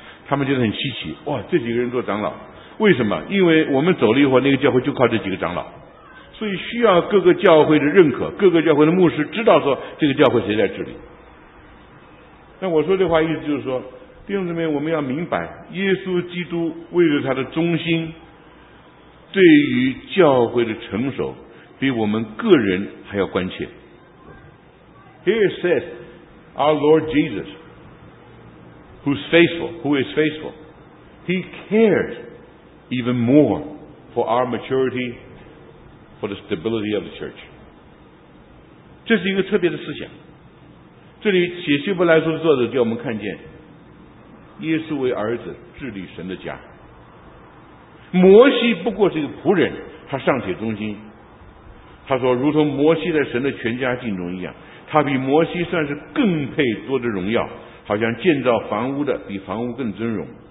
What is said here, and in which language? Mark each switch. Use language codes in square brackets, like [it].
[zh] 他们觉得很稀奇，哇，这几个人做长老，为什么？因为我们走了以后，那个教会就靠这几个长老，所以需要各个教会的认可，各个教会的牧师知道说这个教会谁在治理。那我说这话意思就是说，弟兄姊妹，我们要明白耶稣基督为了他的忠心，对于教会的成熟比我们个人还要关切。 [en] Here says our Lord Jesus, who is faithful, he cares even more for our maturity, for the stability of the church. [zh] 这是一个特别的思想。这里写希伯来书的作者叫我们看见，耶稣为儿子治理神的家，摩西不过是一个仆人，他尚且忠心。他说如同摩西在神的全家境中一样，他比摩西算是更配多的荣耀，好像建造房屋的比房屋更尊荣。